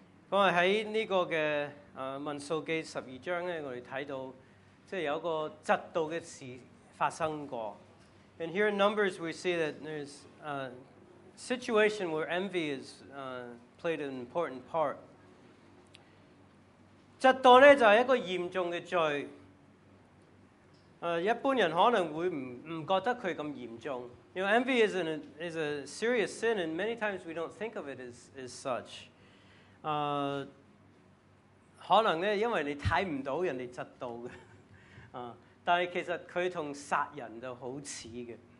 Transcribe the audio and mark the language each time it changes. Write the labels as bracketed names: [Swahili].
[Cantonese] 咁啊喺呢个嘅民数记十二章咧，我哋睇到即系有个嫉妒嘅事发生过。 [English] And here in Numbers we see that there's a situation where envy is played an important part. [Cantonese] 嫉妒咧就系一个严重嘅罪。一般人可能會唔覺得佢咁嚴重。 [English] You know, envy is a serious sin, and many times we don't think of it as such. [Cantonese] 可能咧，因為你睇唔到人哋嫉妒嘅，但係其實佢同殺人就好似嘅。